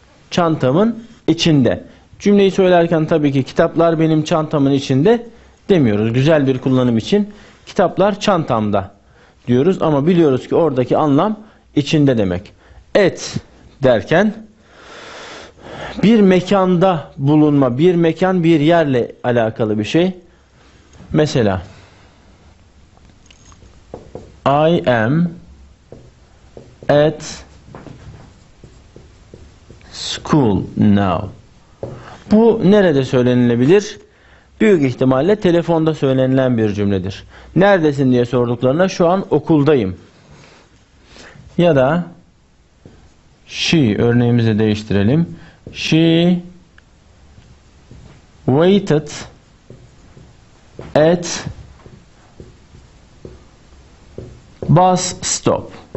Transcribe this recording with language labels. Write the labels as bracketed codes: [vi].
[tr] Çantamın içinde. Cümleyi söylerken tabii ki kitaplar benim çantamın içinde demiyoruz. Güzel bir kullanım için kitaplar çantamda diyoruz ama biliyoruz ki oradaki anlam içinde demek. At derken bir mekanda bulunma, bir mekan, bir yerle alakalı bir şey. Mesela [en] I am at school now. [tr] Bu nerede söylenilebilir? Büyük ihtimalle telefonda söylenilen bir cümledir. Neredesin diye sorduklarına şu an okuldayım. Ya da she, örneğimizi değiştirelim. [en] She waited at bus stop.